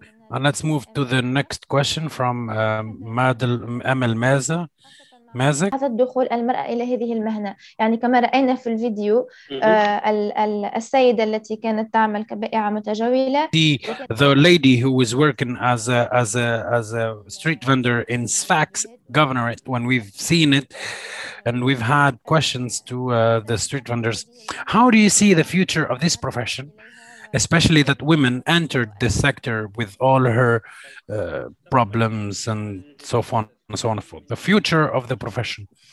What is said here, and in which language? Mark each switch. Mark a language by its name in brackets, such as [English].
[English] And let's move to the next question from Madel Emel Meza. [Arabic] حتى دخول المرأة إلى هذه المهنة يعني كما رأينا في الفيديو السيدة التي كانت تعمل كبائعة متجولة [English] the lady who was working as a street vendor in Sfax governorate when we've seen it and we've had questions to the street vendors how do you see the future of this profession especially that women entered the sector with all her problems and so on and so on and forth. The future of the profession.